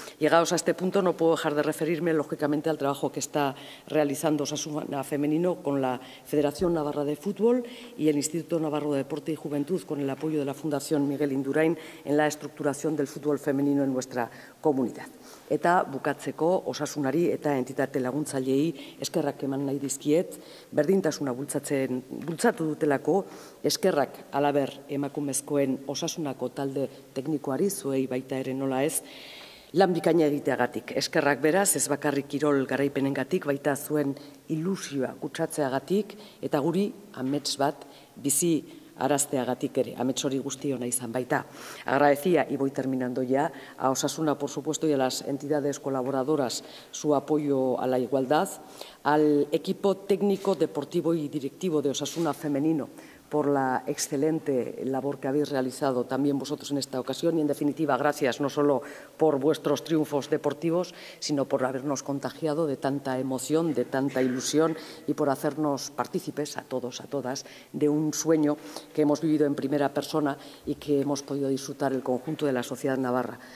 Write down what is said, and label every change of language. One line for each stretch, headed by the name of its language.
Spanish: Llegados a este punto, no puedo dejar de referirme, lógicamente, al trabajo que está realizando Osasuna Femenino con la Federación Navarra de Fútbol y el Instituto Navarro de Deporte y Juventud, con el apoyo de la Fundación Miguel Indurain, en la estructuración del fútbol femenino en nuestra comunidad.
Basque: Eta bukatzeko, osasunari eta entitate laguntzaileei eskerrak eman nahi dizkiet, berdintasuna bultzatu dutelako, eskerrak alaber emakumezkoen osasunako talde teknikoari, zuei baita ere nola ez, lan bikaina egiteagatik. Eskerrak beraz, ez bakarrik kirol garaipenengatik, baita zuen ilusioa kutsatzeagatik, eta guri amets bat bizi arazteagatik ere, amets hori guztiona izan baita.
Spanish: Agradecía, y voy terminando ya, a Osasuna, por supuesto, y a las entidades colaboradoras su apoyo a la igualdad, al equipo técnico, deportivo y directivo de Osasuna Femenino, por la excelente labor que habéis realizado también vosotros en esta ocasión, y en definitiva, gracias no solo por vuestros triunfos deportivos, sino por habernos contagiado de tanta emoción, de tanta ilusión, y por hacernos partícipes a todos, a todas, de un sueño que hemos vivido en primera persona y que hemos podido disfrutar el conjunto de la sociedad navarra.